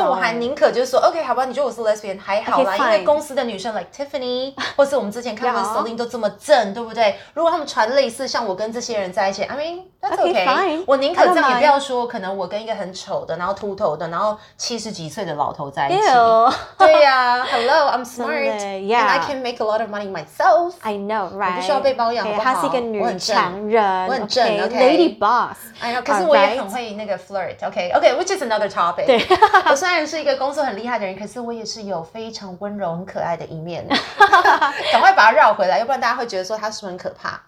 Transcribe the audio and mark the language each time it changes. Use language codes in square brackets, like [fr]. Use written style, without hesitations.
[zh] 所以我还宁可就是说 ，OK， 好吧，你觉得我是 lesbian 还好啦， [en] okay, [zh] 因为公司的女生 like Tiffany 或是我们之前看到的 Celine 都这么正，对不对？如果他们传类似像我跟这些人在一起 ， [en] I mean。That's okay, okay, fine. [zh] 我宁可这样，也不要说可能我跟一个很丑的，然后秃头的，然后七十几岁的老头在一起。 [en] Ew. [zh] 对呀、 [en] 啊、，Hello, I'm smart, yeah, and I can make a lot of money myself. I know, right? [zh] 我不需要被包养，好不好？她是一个女强人，我很正 [en] ，OK, okay. Lady boss. [zh] 哎呀，可是我也很会那个 flirt, OK, OK, [en] which is another topic. [zh] 对，我虽然是一个工作很厉害的人，可是我也是有非常温柔、很可爱的一面。赶快把它绕回来，要不然大家会觉得说他是不是很可怕？